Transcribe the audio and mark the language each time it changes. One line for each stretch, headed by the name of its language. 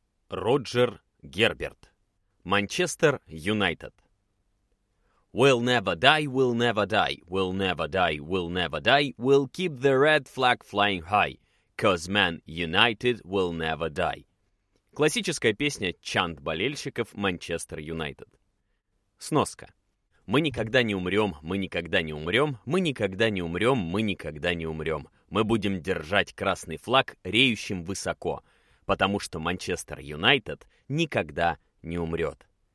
Russian: Роджер Герберт, Манчестер Юнайтед.
English: We'll never die, we'll never die, we'll never die, we'll never die, we'll keep the red flag flying high, 'cause man, United will never die.
Russian: Классическая песня чант болельщиков Манчестер Юнайтед. Сноска. Мы никогда не умрем, мы никогда не умрем, мы никогда не умрем, мы никогда не умрем. Мы будем держать красный флаг реющим высоко, потому что Манчестер Юнайтед никогда не умрет.